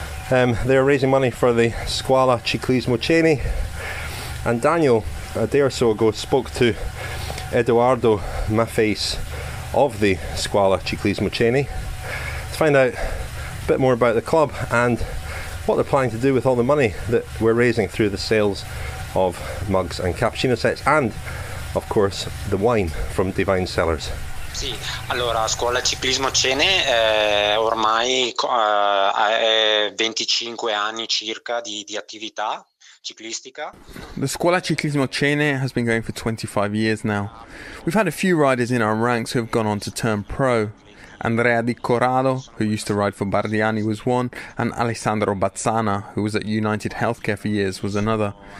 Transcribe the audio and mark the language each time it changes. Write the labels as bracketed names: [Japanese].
[English] They're raising money for the Scuola Ciclismo Ceni, and Daniel, a day or so ago, spoke to Eduardo Maffeis of the Scuola Ciclismo Ceni to find out a bit more about the club and what they're planning to do with all the money that we're raising through the sales of mugs and cappuccino sets, and of course the wine from Divine Cellars. [Italian] Sì, allora Scuola Ciclismo Ceni ormai è 25 anni circa di attività. [English] The Scuola Ciclismo Ceni has been going for 25 years now. We've had a few riders in our ranks who have gone on to turn pro. Andrea Di Corrado, who used to ride for Bardiani, was one, and Alessandro Bazzana, who was at United Healthcare for years, was another.